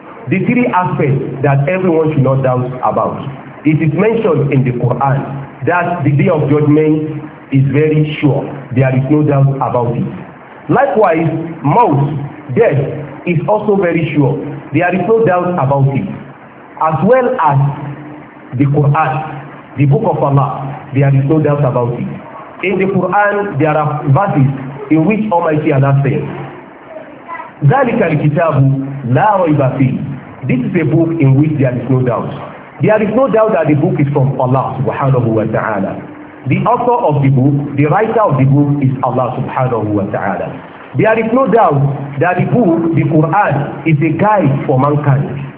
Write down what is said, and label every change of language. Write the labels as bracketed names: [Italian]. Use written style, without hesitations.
[English] The three aspects that everyone should not doubt about. It is mentioned in the Quran that the day of judgment is very sure. There is no doubt about it. Likewise, maut, death, is also very sure. There is no doubt about it. As well as the Quran, the book of Allah, there is no doubt about it. In the Quran, there are verses in which Almighty Allah says, [Arabic] ذَلِكَ الْكِتَابُ لَا رَيْبَ فِيهِ. [English] This is a book in which there is no doubt. There is no doubt that the book is from Allah subhanahu wa ta'ala. The author of the book, the writer of the book, is Allah subhanahu wa ta'ala. There is no doubt that the book, the Quran, is a guide for mankind.